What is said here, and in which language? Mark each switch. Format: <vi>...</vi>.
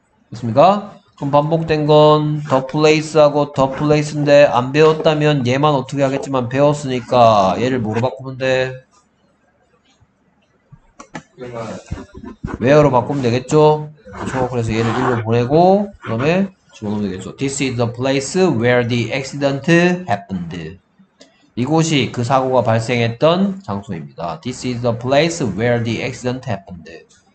<ko>맞습니까? 그럼 반복된 건 the place하고 the place인데 안 배웠다면 얘만 어떻게 하겠지만 배웠으니까 얘를 뭐로 바꾸면 돼? 웨어로 바꾸면 되겠죠? 그렇죠? 그래서 얘를 1로 보내고 그다음에 집어넣으면 되겠죠.</ko> <en>This is the place where the accident happened.</en> <ko>이곳이 그 사고가 발생했던 장소입니다.</ko> <en>This is the place where the accident happened.</en>